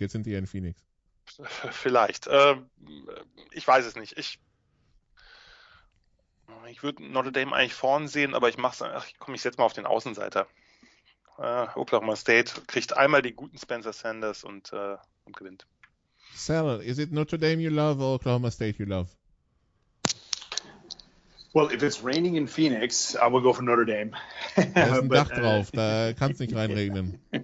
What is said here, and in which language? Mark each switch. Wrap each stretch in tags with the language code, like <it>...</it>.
<de>Jetzt sind die ja in Phoenix. Vielleicht. Ich weiß es nicht. Ich würde Notre Dame eigentlich vorn sehen, aber ich mache es. Ich setze mal auf den Außenseiter. Oklahoma State kriegt einmal den guten Spencer Sanders und gewinnt.</de> <en>Sal, is it Notre Dame you love or Oklahoma State you love? Well, if it's raining in Phoenix, I will go for Notre Dame.</en> <de>Da ist ein Dach drauf, da kann es nicht reinregnen.</de>